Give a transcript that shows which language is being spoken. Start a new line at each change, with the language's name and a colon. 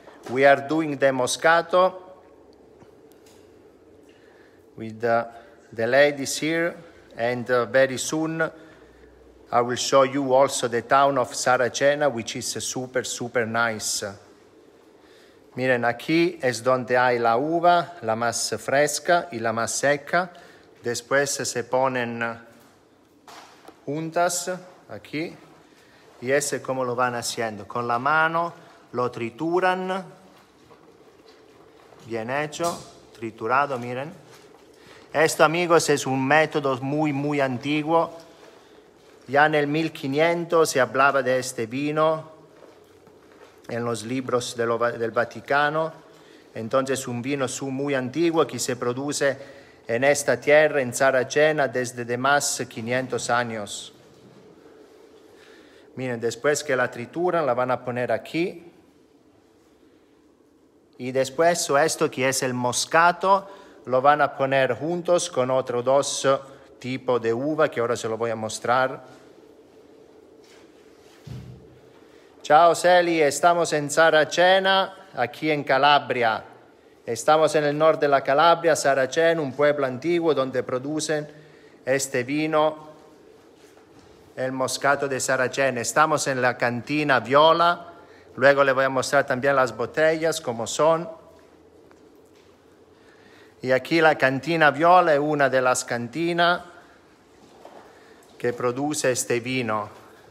English: We are doing the moscato with the ladies here, and very soon I will show you also the town of Saracena, which is super, super nice.
Spanish: Miren, aquí es donde hay la uva, la más fresca y la más seca. Después se ponen juntas, aquí, y ese es como lo van haciendo. Con la mano lo trituran, bien hecho, triturado, miren. Esto, amigos, es un método muy, muy antiguo. Ya en el 1500 se hablaba de este vino en los libros del Vaticano. Entonces, un vino muy antiguo que se produce en esta tierra, en Saracena, desde de más 500 años. Miren, después que la trituran, la van a poner aquí. Y después, esto que es el moscato, lo van a poner juntos con otros dos tipos.
Italian: tipo di uva che ora se lo voglio mostrare. Ciao Seli, stiamo in Saracena, qui in Calabria. Stiamo nel nord della Calabria, Saracena, un pueblo antico dove producono
Spanish: este vino,
Italian: il moscato di Saracena. Stiamo nella cantina Viola,
Spanish: luego le voy a mostrar también las botellas,
Italian: come sono. E qui la cantina Viola è una delle cantine che produce
Spanish: este vino.